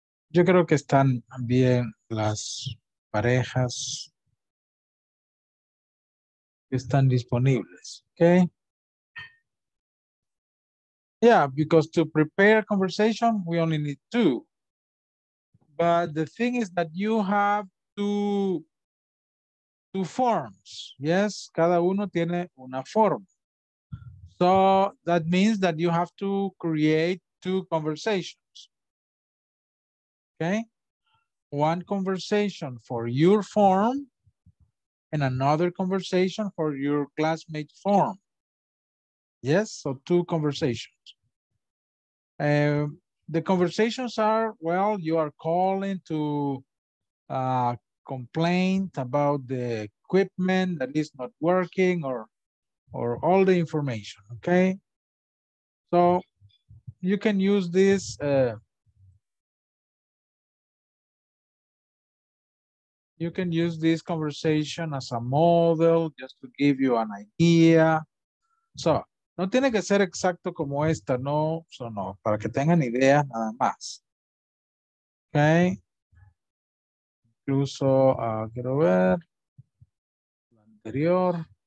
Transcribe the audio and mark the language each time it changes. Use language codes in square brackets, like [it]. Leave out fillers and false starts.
[es] Yo creo que están bien las parejas que están disponibles, okay? [en] Yeah, because to prepare a conversation, we only need two. But the thing is that you have two forms, yes? Cada uno tiene una forma. So that means that you have to create two conversations, okay? One conversation for your form and another conversation for your classmate form. Yes, so two conversations. The conversations are, well, you are calling to complain about the equipment that is not working or all the information, okay? So, you can use this you can use this conversation as a model just to give you an idea. [es] So, no tiene que ser exacto como esta, no, so no, para que tengan idea nada más. Okay. Incluso, quiero ver la anterior.